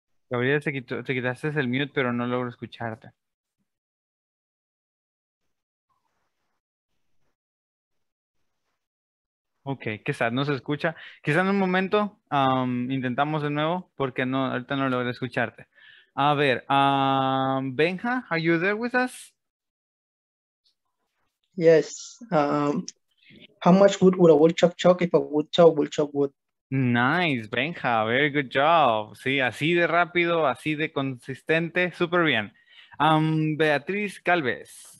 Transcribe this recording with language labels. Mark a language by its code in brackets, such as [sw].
[es] Gabriela, te quitaste el mute, pero no logro escucharte. Ok, quizás no se escucha. Quizás en un momento intentamos de nuevo, porque no, ahorita no logro escucharte. A ver, [en] Benja, are you there with us? Yes. How much wood would a woodchuck chuck if a woodchuck would chuck wood? Nice, Benja, very good job. [es] Sí, así de rápido, así de consistente, súper bien. Beatriz Galvez.